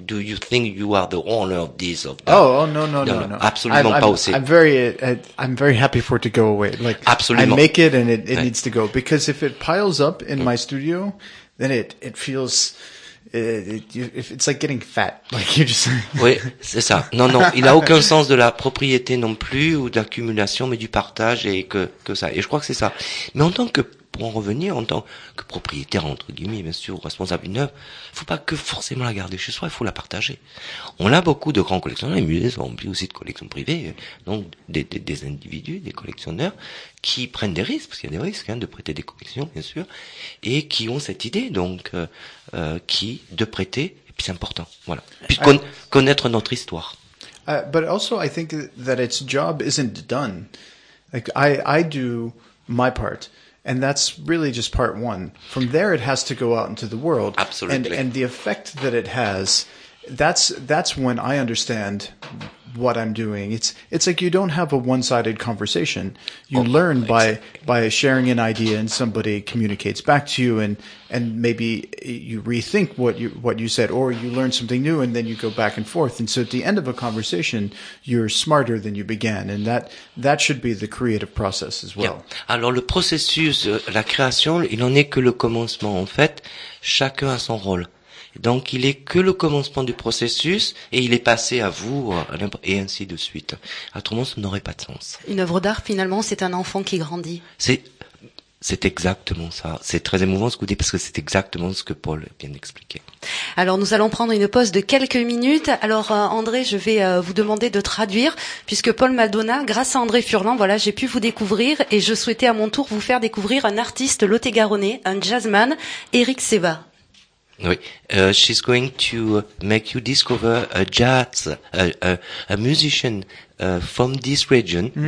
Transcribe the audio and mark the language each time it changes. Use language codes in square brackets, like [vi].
[en] Do you think you are the owner of this of that? No. Absolutely not. I'm very happy for it to go away. Like absolutely, I make it and it needs to go, because if it piles up in my studio, then it feels. It's like getting fat, like you just. [fr] Oui, c'est ça. Non, il a aucun sens de la propriété non plus ou d'accumulation, mais du partage et que ça. Et je crois que c'est ça. Mais en tant que, pour en revenir, en tant que propriétaire entre guillemets, bien sûr, responsable d'une œuvre, faut pas que forcément la garder chez soi, il faut la partager. On a beaucoup de grands collectionneurs, les musées sont remplis aussi de collections privées, donc des individus, des collectionneurs qui prennent des risques, parce qu'il y a des risques hein, de prêter des collections, bien sûr, et qui ont cette idée, donc. De prêter, et puis c'est important, voilà. Puis connaître notre histoire. [en] But also, I think that its job isn't done. Like, I do my part, and that's really just part one. From there, it has to go out into the world. Absolutely. And the effect that it has, that's when I understand what I'm doing. It's like you don't have a one-sided conversation. You learn by sharing an idea and somebody communicates back to you and maybe you rethink what you said, or you learn something new and then you go back and forth. And so at the end of a conversation, you're smarter than you began. And that should be the creative process as well. Yeah. [fr] Alors le processus, la création, il n'en est que le commencement. En fait, chacun a son rôle. Donc, il est que le commencement du processus et il est passé à vous et ainsi de suite. Autrement, ça n'aurait pas de sens. Une œuvre d'art, finalement, c'est un enfant qui grandit. C'est exactement ça. C'est très émouvant ce que vous dites parce que c'est exactement ce que Paul vient d'expliquer. Alors, nous allons prendre une pause de quelques minutes. Alors, André, je vais vous demander de traduire puisque Paul Maldonat, grâce à André Furlan, voilà, j'ai pu vous découvrir et je souhaitais à mon tour vous faire découvrir un artiste lotégaronnais, un jazzman, Eric Seba. [en] Oui, she's going to make you discover a jazz, a musician from this region, mm-hmm.